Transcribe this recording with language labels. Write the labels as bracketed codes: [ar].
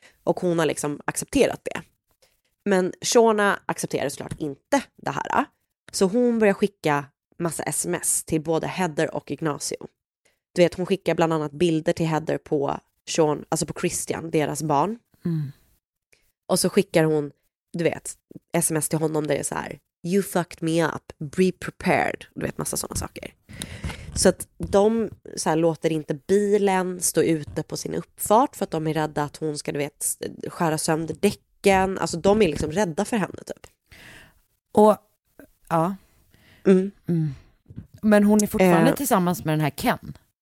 [sv] Och hon har liksom accepterat det. Men Shauna accepterar såklart inte det här. Så hon börjar skicka massa sms till både Heather och Ignacio. Du vet, hon skickar bland annat bilder till Heather på Shauna, alltså på Christian, deras barn. Mm. Och så skickar hon, du vet, sms till honom där det är så här. [en] You fucked me up, be prepared. [sv] Du vet, massa sådana saker. Så att de så här, låter inte bilen stå ute på sin uppfart för att de är rädda att hon ska, du vet, skära sönder däcken. Alltså de är liksom rädda för henne typ. Och ja. Mm. Mm. Men hon är fortfarande tillsammans med den här Ken.